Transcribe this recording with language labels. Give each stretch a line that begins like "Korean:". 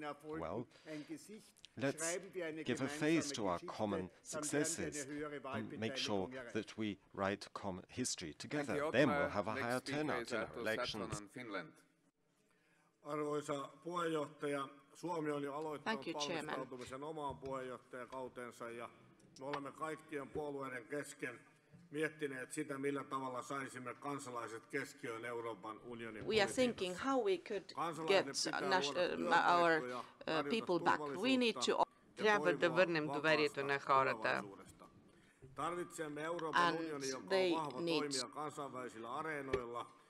English: Well, let's give a face to our common successes and make sure that we write common history together. Then we'll have a higher turnout in our elections.
Finnish: Suomi on jo aloittanut valmistautumisen omaan puheenjohtajakautensa ja me olemme kaikkien puolueiden kesken miettineet sitä, millä tavalla saisimme kansalaiset keskiöön Euroopan unionin politiikassa.
English: We are thinking how we could get our people back. We need to offer the vernem duveriet on haarata.
Finnish: Tarvitsemme Euroopan unionin, joka on vahva toimija kansainvälisillä areenoilla.